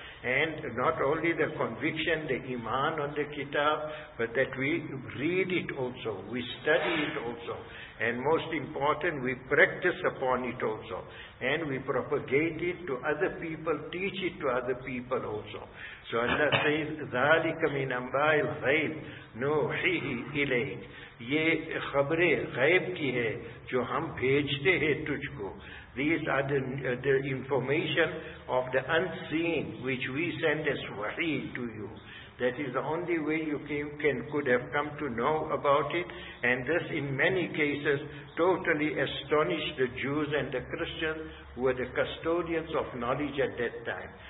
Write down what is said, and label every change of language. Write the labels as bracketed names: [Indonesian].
[English] And not only the conviction, the iman on the kitab, but that we read it also, we study it also, and most important, we practice upon it also, and we propagate it to other people, teach it to other people also. [Arabic] So Allah says, ذَلِكَ مِنْ أَنْبَاءِ الْغَيْبِ نُوحِهِ إِلَيْكَ. [Urdu] Ye khabre ghaib ki hai, jo hum bhejte hai tujhko. [English] These are the information of the unseen which we send as wahi to you. That is the only way you could have come to know about it. And this in many cases totally astonished the Jews and the Christians who were the custodians of knowledge at that time.